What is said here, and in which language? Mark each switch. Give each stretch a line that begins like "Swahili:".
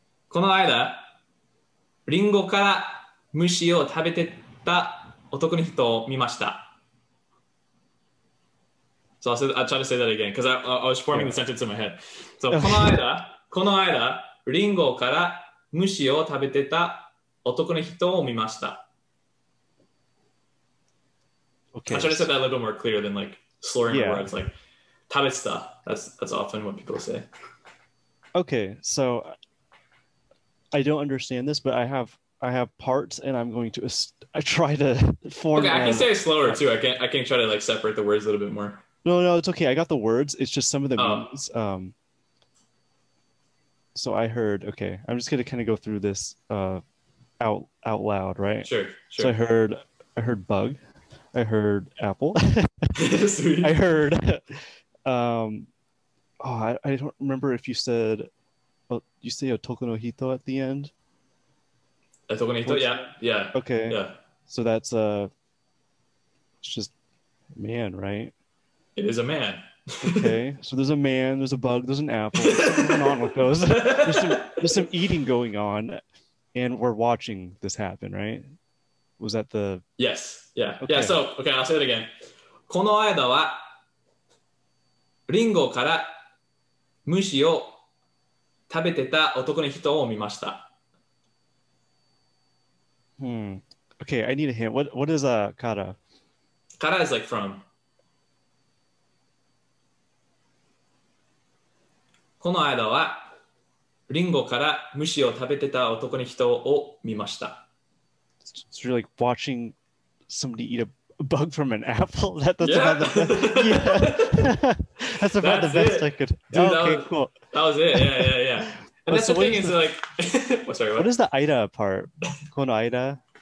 Japanese: この間、リンゴから虫を食べてた男の人を見ました。
English: So I'll try to say that again, because I was forming the sentence in my head. So
Japanese: この間、リンゴから虫を食べてた男の人を見ました。
English: Okay. I'll try to say that a little bit more clear than like slurring the words, like
Japanese: 食べてた.
English: That's often what people say. Okay, so I don't understand this, but I have parts, and I'm going to try to form. Okay, I can say it slower too. I can try to like separate the words a little bit more. No, it's okay. I got the words. It's just some of the means. So I heard. Okay, I'm just gonna kind of go through this out loud, right? Sure. So I heard bug. I heard apple. I heard. I don't remember if you said. Well, you say
Japanese: otoko no hito
English: at the end.
Japanese: Otoko no hito, yeah.
English: Okay. Yeah. So that's it's just man, right? It is a man. Okay. So there's a man, there's a bug, there's an apple. What's going on with those? there's some eating going on, and we're watching this happen, right? Was that the... Yes. Yeah. Okay. Yeah, so, okay, I'll say it again.
Japanese: この間はリンゴから虫を食べてた男の人を見ました。
English: Okay, I need a hint. What is a kara? Kara is like from.
Japanese: この間はリンゴから虫を食べてた男の人を見ました。
English: It's really like watching somebody eat a bug from an apple. That's about the best. Yeah. That's about the best I could. Dude, okay, cool. That was it. Yeah. And that's so the thing is like, oh, sorry. What is the aida part?
Japanese: Kono aida.